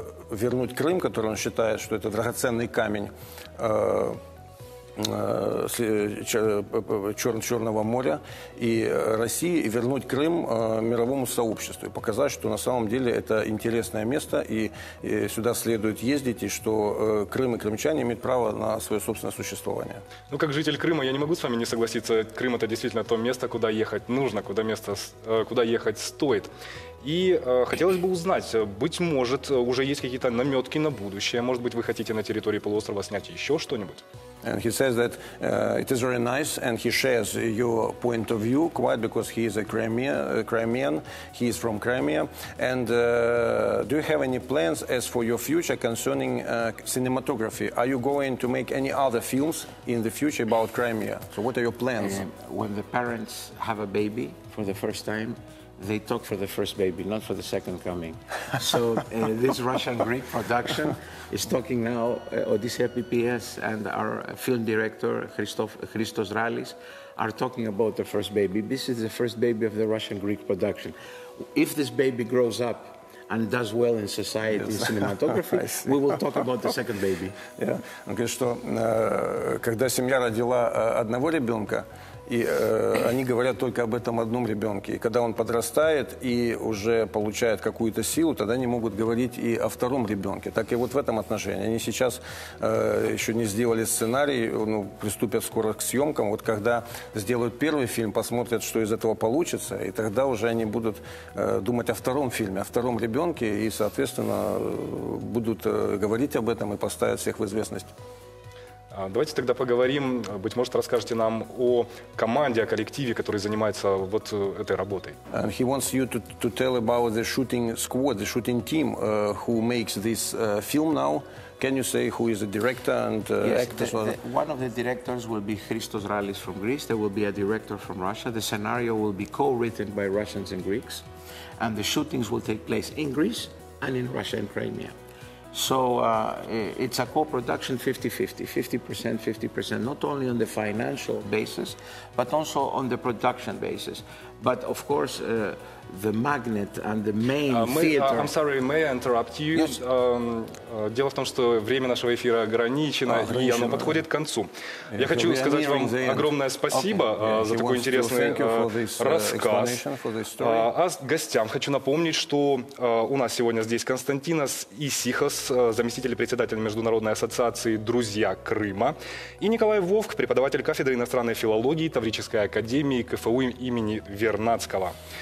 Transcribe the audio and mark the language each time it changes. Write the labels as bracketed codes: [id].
[ru] вернуть Крым, который он считает, что это драгоценный камень Черного моря, и России, и вернуть Крым мировому сообществу, и показать, что на самом деле это интересное место, и сюда следует ездить, и что Крым и крымчане имеют право на свое собственное существование. Ну, как житель Крыма, я не могу с вами не согласиться. Крым – это действительно то место, куда ехать нужно, куда ехать стоит. И хотелось бы узнать, быть может, уже есть какие-то наметки на будущее? Может быть, вы хотите на территории полуострова снять еще что-нибудь? [en] And he says that it is very nice, and he shares your point of view quite because he is a Crimean. He is from Crimea. And do you have any plans as for your future concerning cinematography? Are you going to make any other films in the future about Crimea? So what are your plans? When the parents have a baby for the first time, they talk for the first baby, not for the second coming. So this Russian-Greek production is talking now, Odyssey PPS and our film director, Christos Rallis, are talking about the first baby. This is the first baby of the Russian-Greek production. If this baby grows up and does well in society, yes, cinematography, we will talk about the second baby. Yeah. [ru] Он говорит, что когда семья родила одного ребенка, и они говорят только об этом одном ребенке. И когда он подрастает и уже получает какую-то силу, тогда они могут говорить и о втором ребенке. Так и вот в этом отношении. Они сейчас еще не сделали сценарий, приступят скоро к съемкам. Вот когда сделают первый фильм, посмотрят, что из этого получится, и тогда уже они будут думать о втором фильме, о втором ребенке, и, соответственно, будут говорить об этом и поставят всех в известность. Давайте тогда поговорим, быть может, расскажете нам о команде, о коллективе, который занимается вот этой работой. [en] And he wants you to tell about the shooting squad, the shooting team who makes this film now. Can you say who is the director and actors? One of the directors will be Christos Rallis from Greece. There will be a director from Russia. The scenario will be co-written by Russians and Greeks. And the shootings will take place in Greece and in Russia and Crimea. So it's a co-production 50-50, 50%, 50%, not only on the financial basis, but also on the production basis. But of course, the magnet and the main theater... I'm sorry, may I interrupt you? Yes. [ru] Дело в том, что время нашего эфира ограничено, и оно подходит к концу. Я хочу сказать вам огромное спасибо за такой интересный рассказ. А гостям хочу напомнить, что у нас сегодня здесь Константинос Исихос, заместитель председателя Международной ассоциации «Друзья Крыма», и Николай Вовк, преподаватель кафедры иностранной филологии Таврической академии КФУ имени Вернадского.